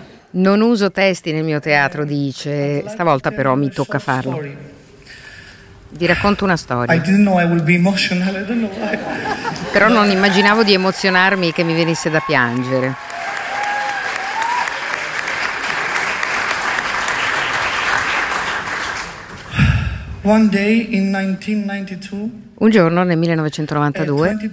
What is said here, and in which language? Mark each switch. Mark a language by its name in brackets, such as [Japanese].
[Italian] Non uso testi nel mio teatro, dice, stavolta però mi tocca farlo. Vi racconto una storia. [English] I didn't know I would be emotional, I don't know why. [Italian] Però non immaginavo di emozionarmi, che mi venisse da piangere. [English] One day in 1992. [Italian] Un giorno nel 1992.